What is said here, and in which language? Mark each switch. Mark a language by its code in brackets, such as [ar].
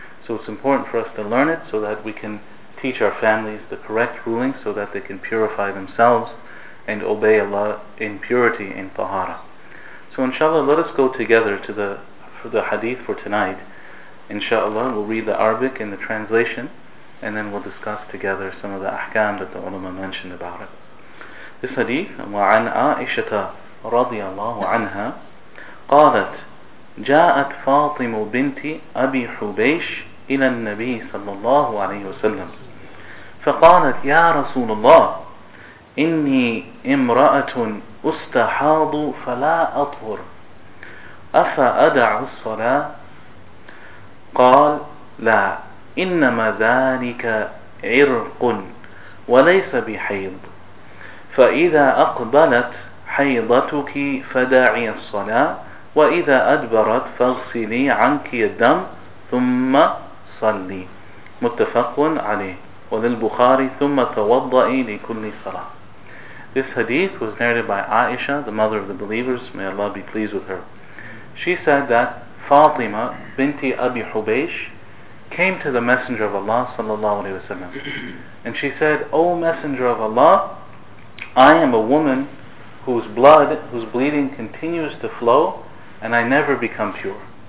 [en] So it's important for us to learn it so that we can teach our families the correct rulings so that they can purify themselves and obey Allah in purity in tahara. So inshallah, let us go together to the hadith for tonight. Inshallah, we'll read the Arabic and the translation, and then we'll discuss together some of the ahkam that the ulama mentioned about it. This hadith, [ar] وعن عائشة رضي الله عنها قالت جاءت فاطمة بنت أبي حبيش إلى النبي صلى الله عليه وسلم فقالت يا رسول الله إني امرأة أستحاض فلا أطهر أفأدع الصلاة؟ قال لا، إنما ذلك عرق وليس بحيض، فإذا أقبلت حيضتك فدعي الصلاة، وإذا أدبرت فاغسلي عنك الدم ثم صلي. متفق عليه. وللبخاري ثم توضئي لكل صلاة. [en] This hadith was narrated by Aisha, the mother of the believers, may Allah be pleased with her. She said that Fatima binti Abi Hubaysh came to the Messenger of Allah sallallahu alaihi wasallam, and she said, O Messenger of Allah, I am a woman whose bleeding continues to flow, and I never become pure.